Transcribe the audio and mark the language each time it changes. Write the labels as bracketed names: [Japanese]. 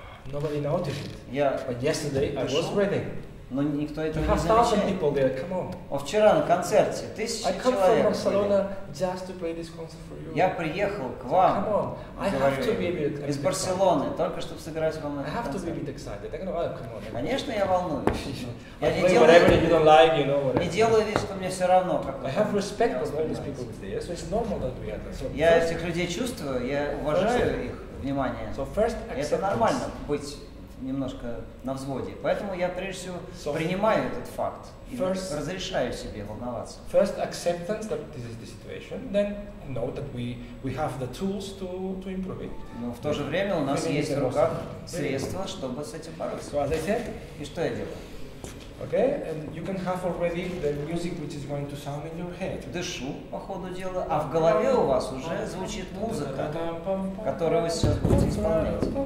[English] Nobody noticed it. [Russian] Но никто это не замечает. [English] People there. Come on. [Russian] А вчера на концерте 1000 человек. [English] From Barcelona just to play this concert for you. [Russian] Я приехал к вам. [English] Come on. I have to be a bit excited. [Russian] Из Барселоны, только чтобы сыграть вам этот концерт. [English] I have to be a bit excited. Come on. [Russian] Конечно, я волнуюсь. [English] I play whatever you don't like, you know. Whatever. [Russian] Не делаю вид, что мне все равно. [English] I have respect for all these people today. So it's normal that we have. So [Russian] я этих людей чувствую, я уважаю их внимание. [English] So first, [Russian] это нормально быть немножко на взводе. Поэтому я прежде всего принимаю этот факт и разрешаю себе волноваться. [English] First acceptance that this is the situation, then know that we have the tools to improve it. [Russian] Но в то же время у нас есть в руках средства, чтобы с этим бороться. [English] So, [Russian] и что я делаю? [English] Okay, and you can have already the music which is going to sound in your head. [Russian] Дышу по ходу дела, а в голове у вас уже звучит музыка, которую вы сейчас будете исполнять.